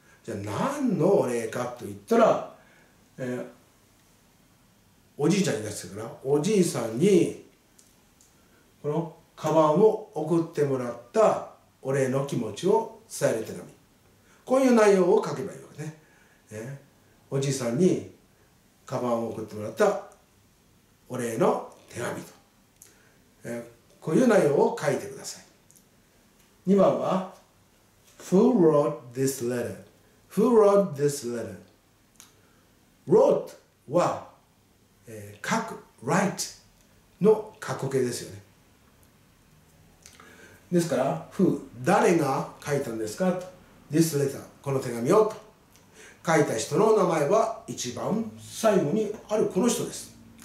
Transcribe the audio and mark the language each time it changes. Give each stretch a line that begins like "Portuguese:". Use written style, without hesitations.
Japanese: じゃあ何のお礼かと言ったら、おじいちゃんに出してから、おじいさんにこのカバンを送ってもらったお礼の気持ちを伝える手紙、こういう内容を書けばいいわけね。おじいさんにカバンを送ってもらったお礼の手紙と、こういう内容を書いてください。 2番は
English: Who wrote this letter? Who wrote this letter?
Japanese: Wrote は、書く、 write の過去形ですよね。ですから Who、 誰が書いたんですかと。
English: This letter、
Japanese: この手紙をと。書いた人の名前は一番最後にあるこの人です。